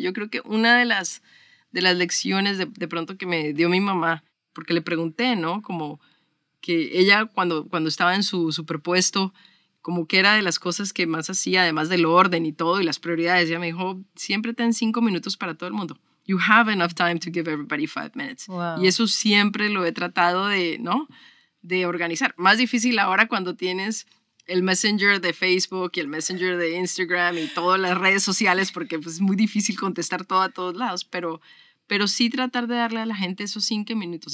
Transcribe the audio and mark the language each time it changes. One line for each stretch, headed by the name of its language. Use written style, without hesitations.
Spanish: Yo creo que una de las lecciones de pronto que me dio mi mamá, porque le pregunté, ¿no? Como que ella cuando estaba en su superpuesto, como que era de las cosas que más hacía, además del orden y todo, y las prioridades. Ella me dijo, siempre ten 5 minutos para todo el mundo.
English: You have enough time to give everybody 5 minutes. Wow.
Spanish: Y eso siempre lo he tratado de, ¿no?, de organizar. Más difícil ahora cuando tienes el Messenger de Facebook y el Messenger de Instagram y todas las redes sociales, porque pues es muy difícil contestar todo a todos lados, pero sí tratar de darle a la gente esos 5 minutos.